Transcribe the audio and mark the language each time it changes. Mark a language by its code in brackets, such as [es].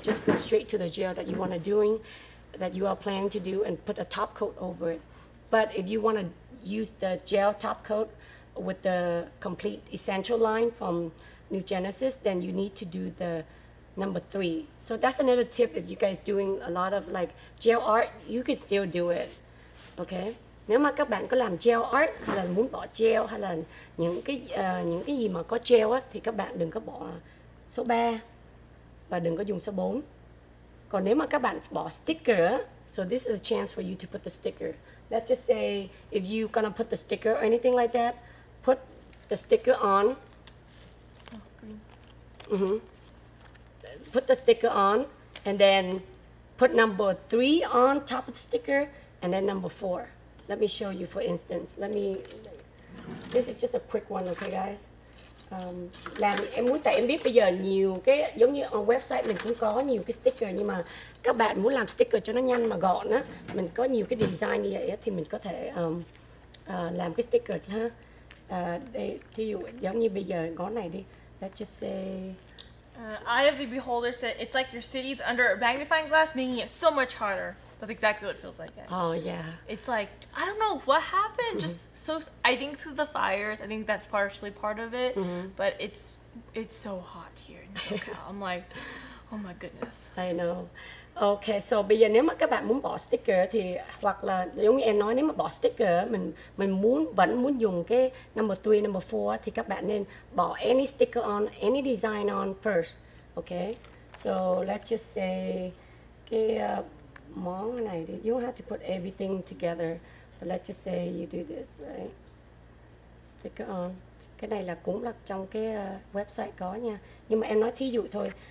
[en] Just go straight to the gel that you want to do, that you are planning to do, and put a top coat over it. But if you want to use the gel top coat with the complete essential line from New Genesis, then you need to do the number 3. So that's another tip. If you guys doing a lot of like gel art, you can still do it. Okay. [vi] Nếu mà các bạn có làm gel art hay là muốn bỏ gel hay là những cái gì mà có gel á, thì các bạn đừng có bỏ số 3 và đừng có dùng số 4. Còn nếu mà các bạn bỏ [en] sticker, so this is a chance for you to put the sticker. Let's just say if you gonna put the sticker or anything like that, put the sticker on. Mm-hmm. Put the sticker on and then put number 3 on top of the sticker and then number 4. Let me show you, for instance. This is just a quick one, okay, guys? [vi] Làm em muốn, tại em biết bây giờ nhiều cái giống như [en] on website [vi] mình cũng có nhiều cái sticker, nhưng mà các bạn muốn làm sticker cho nó nhanh mà gọn á, mình có nhiều cái design như vậy á, thì mình có thể làm cái sticker ha. Đây, thí dụ giống như bây giờ ngón này đi. [en] Let's just say Eye of the beholder said it's like your city's under a magnifying glass, making it so much harder. That's exactly what it feels like. Oh yeah. It's like, I don't know what happened. Just so, I think through the fires, I think that's partially part of it. But it's so hot here in SoCal. I'm like, oh my goodness. I know. [vi] Okay, so bây giờ nếu mà các bạn muốn bỏ sticker thì hoặc là giống như em nói, nếu mà bỏ sticker mình muốn vẫn muốn dùng cái number 3, number 4 thì các bạn nên bỏ [en] any sticker on, any design on first. Okay, so let's just say [vi] cái món này, [en] you don't have to put everything together, but let's just say you do this, right? Sticker on. [vi] Cái này là cũng là trong cái website có nha. Nhưng mà em nói thí dụ thôi.